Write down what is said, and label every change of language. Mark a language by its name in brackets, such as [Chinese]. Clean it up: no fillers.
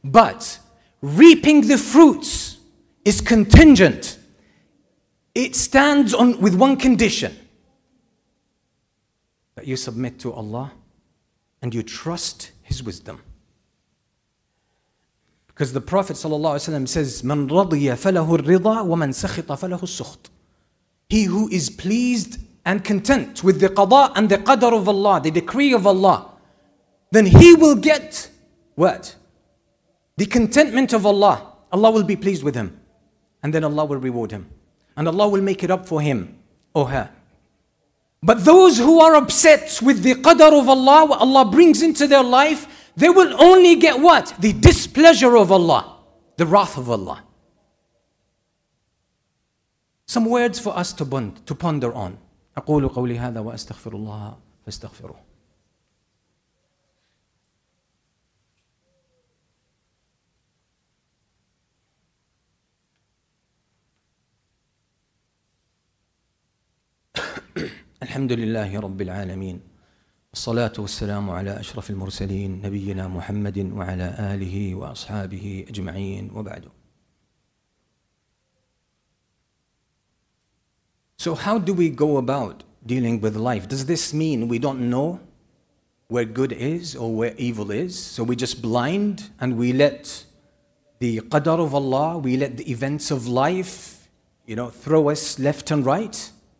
[English] But reaping the fruits is contingent. It stands on with one condition, that you submit to Allah and you trust His wisdom. Because the Prophet ﷺ says, [Arabic] مَنْ رَضِيَ فَلَهُ الرِّضَى وَمَنْ سَخِطَ فَلَهُ السُّخْطِ. [English] He who is pleased and content with the qada and the qadr of Allah, the decree of Allah, then he will get what? The contentment of Allah. Allah will be pleased with him. And then Allah will reward him. And Allah will make it up for him or her. But those who are upset with the qadr of Allah, what Allah brings into their life, they will only get what? The displeasure of Allah, the wrath of Allah. Some words for us to ponder on. [Arabic] أقول قولي هذا وأستغفر الله فاستغفروه. الحمد لله رب العالمين، الصلاة والسلام على أشرف المرسلين نبينا محمد وعلى آله وأصحابه أجمعين وبعد. [English] So how do we go about dealing with life? Does this mean we don't know where good is or where evil is? So we just blind and we let the qadar of Allah, we let the events of life, throw us left and right?